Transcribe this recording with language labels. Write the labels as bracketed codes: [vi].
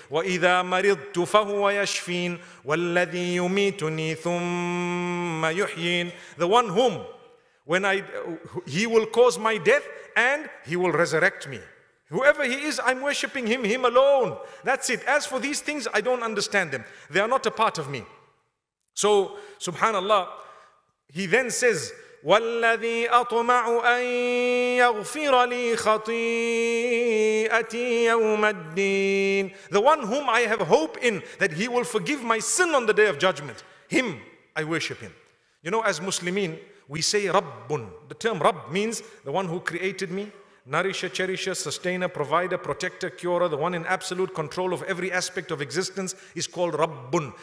[ar] وَإِذَا مَرِضْتُ فَهُوَ يَشْفِينَ وَالَّذِي يُمِيتُنِي ثُمَّ يُحْيِينَ. [en] The one whom, when I, he will cause my death, and he will resurrect me. Whoever he is, I'm worshiping him, him alone. That's it. As for these things, I don't understand them. They are not a part of me. So, subhanAllah, he then says, [ar] وَالَّذِي أَطْمَعُ أَن يَغْفِرَ لِي خَطِيئَتِي يَوْمَ الدِّينِ. [en] The one whom I have hope in, that he will forgive my sin on the day of judgment. Him, I worship him. You know, as Muslimin, we say Rabbun. The term Rabb means the one who created me, nourisher, cherisher, sustainer, provider, protector, curer, the one in absolute control of every aspect of existence is called Rabbun.